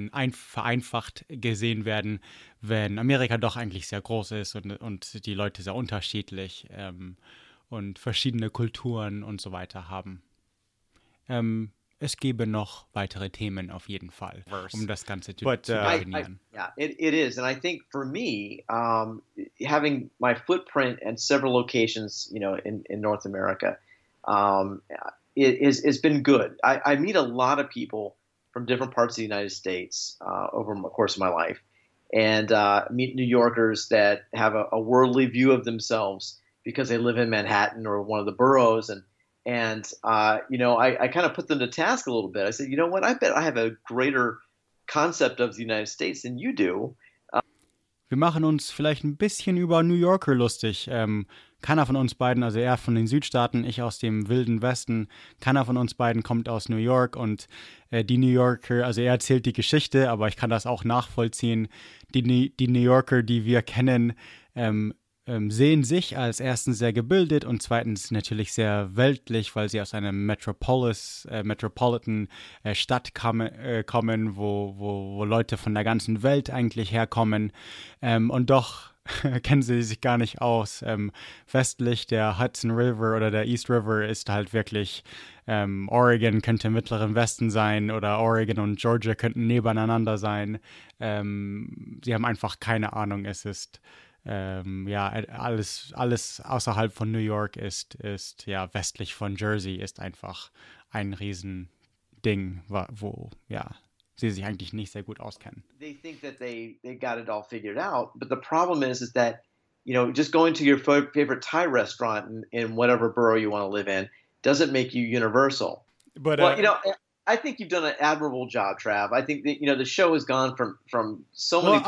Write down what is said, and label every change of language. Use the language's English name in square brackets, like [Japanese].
[German] vereinfacht gesehen werden, wenn Amerika doch eigentlich sehr groß ist und die Leute sehr unterschiedlich und verschiedene Kulturen und so weiter haben. Es gäbe noch weitere Themen auf jeden Fall, um das Ganze zu definieren. [English] It is, and I think for me, having my footprint at several locations, in North America, it's been good. I meet a lot of people from different parts of the United States over the course of my life, and meet New Yorkers that have a worldly view of themselves because they live in Manhattan or one of the boroughs, And I kind of put them to task a little bit. I said, you know what? I bet I have a greater concept of the United States than you do. [German] Wir machen uns vielleicht ein bisschen über New Yorker lustig. Keiner von uns beiden, also er von den Südstaaten, ich aus dem wilden Westen, keiner von uns beiden kommt aus New York und die New Yorker, also er erzählt die Geschichte, aber ich kann das auch nachvollziehen. Die New Yorker, die wir kennen, sehen sich als erstens sehr gebildet und zweitens natürlich sehr weltlich, weil sie aus einer Metropolitan-Stadt kommen, wo Leute von der ganzen Welt eigentlich herkommen. Und doch kennen sie sich gar nicht aus. Westlich der Hudson River oder der East River ist halt wirklich, Oregon könnte im mittleren Westen sein oder Oregon und Georgia könnten nebeneinander sein. Sie haben einfach keine Ahnung, es ist... alles außerhalb von New York ist ja westlich von Jersey ist einfach ein Riesending, wo ja sie sich eigentlich nicht sehr gut auskennen. [English] They think that they got it all figured out, but the problem is that, you know, just going to your favorite Thai restaurant in whatever borough you want to live in doesn't make you universal. But well, you know, I think you've done an admirable job, Trav. I think that, you know, the show has gone from so many places.